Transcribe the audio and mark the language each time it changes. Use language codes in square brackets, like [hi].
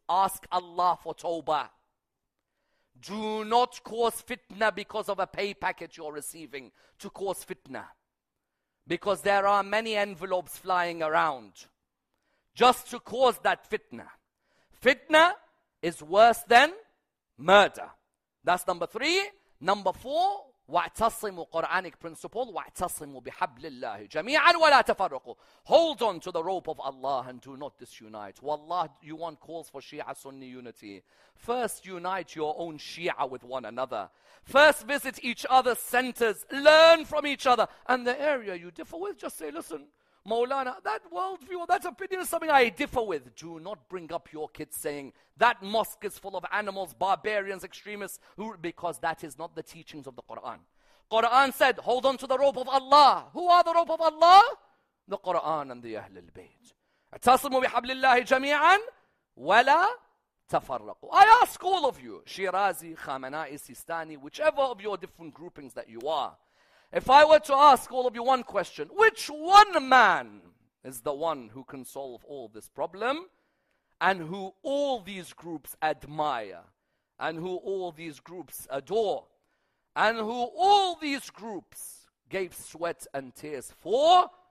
[en] Ask Allah for tawbah. Do not cause fitna because of a pay packet you're receiving to cause fitna. Because there are many envelopes flying around just to cause that fitna. Fitna is worse than murder. That's number three. [ar] Number four, وَاَعْتَصِمُوا Quranic principle, وَاَعْتَصِمُوا بِحَبْلِ اللَّهِ جَمِيعًا وَلَا تَفَرُقُوا. [en] Hold on to the rope of Allah and do not disunite. Wallah, you want calls for Shia-Sunni unity. First unite your own Shia with one another. First visit each other's centers. Learn from each other. And the area you differ with, just say, listen, Mawlana, that worldview, that opinion is something I differ with. Do not bring up your kids saying, that mosque is full of animals, barbarians, extremists, because that is not the teachings of the Quran. Quran said, hold on to the rope of Allah. Who are the rope of Allah? The Quran and the Ahlul Bayt. [ar] اتصموا بحبل الله جميعا ولا تفرقوا. [en] I ask all of you, Shirazi, Khamenei, Sistani, whichever of your different groupings that you are, if I were to ask all of you one question, which one man is the one who can solve all this problem and who all these groups admire and who all these groups adore and who all these groups gave sweat and tears for?